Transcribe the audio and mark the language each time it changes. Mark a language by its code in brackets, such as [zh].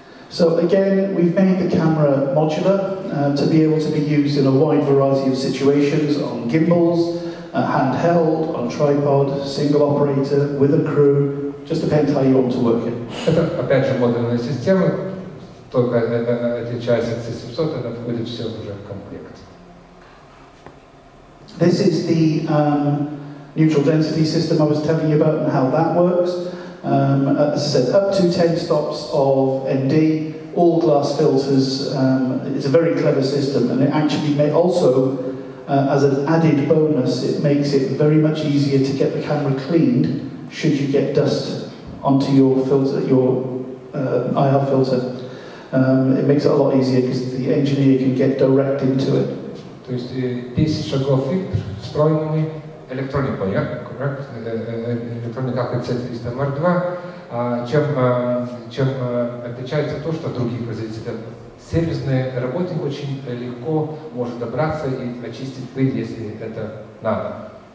[en] So again, we've made the camera modular to be able to be used in a wide variety of situations, on gimbals, handheld, on tripod, single operator, with a crew, just depends how you want to work it. [ru] Это опять же модульная система, только эти часы C700, это входит все уже в комплект. [en] This is the neutral density system I was telling you about and how that works. As I said, up to 10 stops of ND, all glass filters. It's a very clever system, and it actually may also, as an added bonus, it makes it very much easier to get the camera cleaned should you get dust onto your filter, your IR filter. It makes it a lot easier because the engineer can get direct into it. [ru] То есть 10 шагов фильтр, встроенный электроникой, yeah? [en] Correct? [ru] Электроника C300R2. Чем отличается то, что другие производители? Сервисный работник очень легко может добраться и очистить пыль, если это надо.